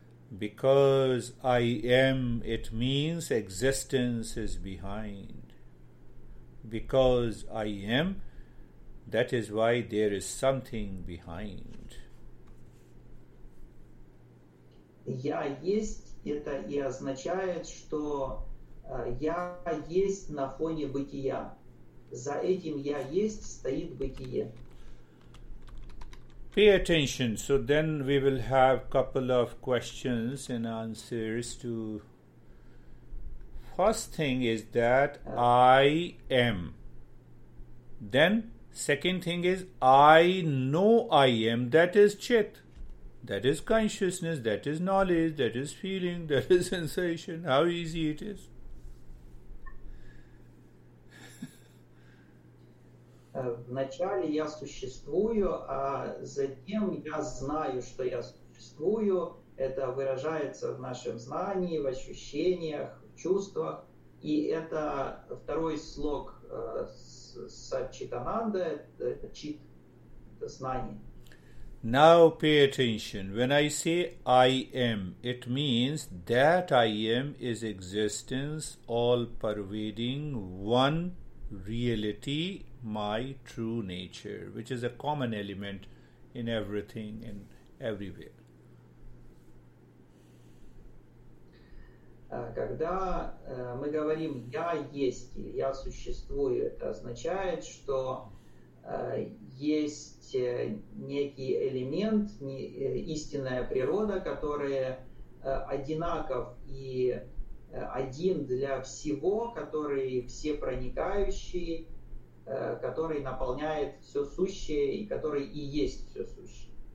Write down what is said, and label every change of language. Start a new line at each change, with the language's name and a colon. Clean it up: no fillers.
English: Because I am, it means existence is behind. Because I am, that is why there is something behind.
Russian: Я есть, это и означает, что я есть на фоне бытия. За этим я есть стоит бытие.
English: Pay attention. So then we will have a couple of questions and answers to. First thing is that I am. Then second thing is I know I am. That is chit. That is consciousness. That is knowledge. That is feeling. That is sensation. How easy it is.
Russian: Вначале я существую, а затем я знаю, что я существую. Это выражается в нашем знании, в ощущениях, в чувствах. И это второй слог Сатчитананда, чит, это знание.
English: Now pay attention. When I say I am, it means that I am is existence, all-pervading, one reality, my true nature, which is a common element in everything and everywhere.
Russian: Когда мы говорим «я есть» или «я существую», это означает, что есть некий элемент, истинная природа, которая одинаков и один для всего, который все проникающие, который наполняет все сущее и который и есть все сущее.